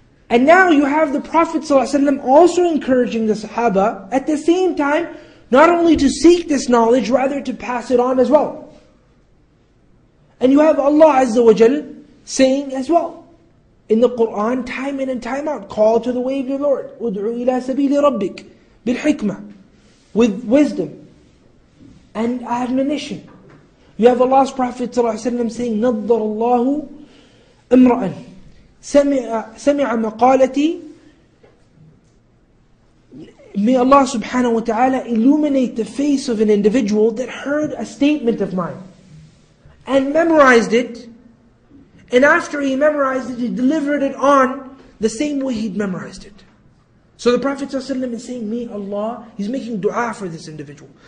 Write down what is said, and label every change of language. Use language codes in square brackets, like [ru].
[en] And now you have the Prophet ﷺ also encouraging the Sahaba at the same time, not only to seek this knowledge, rather to pass it on as well. And you have Allah Azza wa Jal saying as well in the Quran, time in and time out, call to the way of your Lord. [ar] Udu ila sabili rabbik bil hikmah. [en] With wisdom and admonition. You have Allah's Prophet ﷺ saying, [ar] نَظَّرَ اللَّهُ إِمْرَأً سَمِعَ مَقَالَتِي. [en] May Allah subhanahu wa ta'ala illuminate the face of an individual that heard a statement of mine and memorized it. And after he memorized it, he delivered it on the same way he'd memorized it. So the Prophet ﷺ is saying, may Allah, he's making dua for this individual.